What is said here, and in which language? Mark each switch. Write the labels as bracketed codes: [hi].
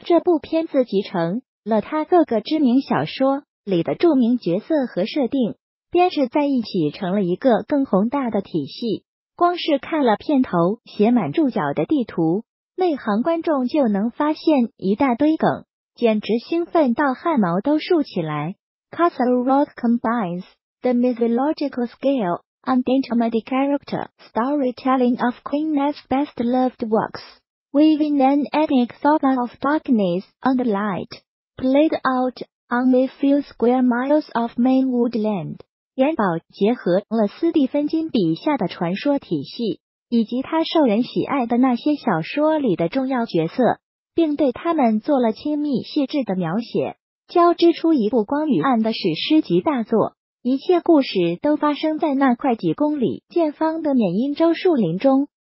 [zh] 这部片子集成了他各个知名小说里的著名角色和设定，编制在一起成了一个更宏大的体系。光是看了片头写满注脚的地图，内行观众就能发现一大堆梗，简直兴奋到汗毛都竖起来。 [en] Castle Rock combines the mythological scale and intimate character storytelling of Queen Anne's best loved works, weaving an epic saga of darkness and light played out on a few square miles of main woodland。 [zh] 岩堡结合了斯蒂芬金笔下的传说体系，以及他受人喜爱的那些小说里的重要角色，并对他们做了亲密细致的描写，交织出一部光与暗的史诗级大作。一切故事都发生在那块几公里见方的缅因州树林中。